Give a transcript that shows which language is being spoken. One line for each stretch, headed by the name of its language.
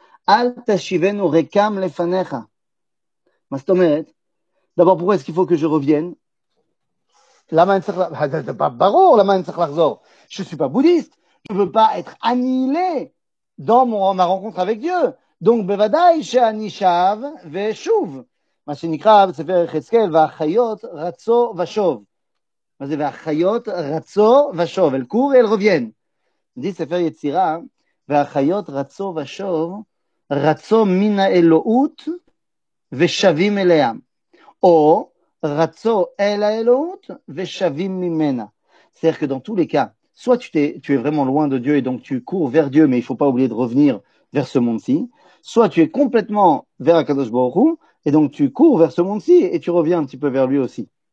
Hebrew: Al teshivenu rekam lefanecha. Mastomeret.
French: D'abord, pourquoi est-ce qu'il faut que je revienne? Je ne suis pas bouddhiste. Je ne veux pas être annihilé dans ma rencontre avec Dieu.
Hebrew: Donc, bevadai she'anishav ve'shuv. מה שנקרא בספר חזקאל, והחיות רצו ושוב. מה זה? והחיות רצו ושוב. אל קור אל רוביין. זה ספר יצירה, והחיות רצו ושוב, רצו מן האלוהות ושבים אליה. או רצו אל האלוהות ושבים ממנה.
French: C'est-à-dire que dans tous les cas, soit tu es vraiment loin de Dieu et donc tu cours vers Dieu, mais il ne faut pas oublier de revenir vers ce monde-ci, soit tu es complètement vers Akadosh Baruch Hu, et donc, tu cours vers ce monde-ci et tu reviens un petit peu vers lui aussi.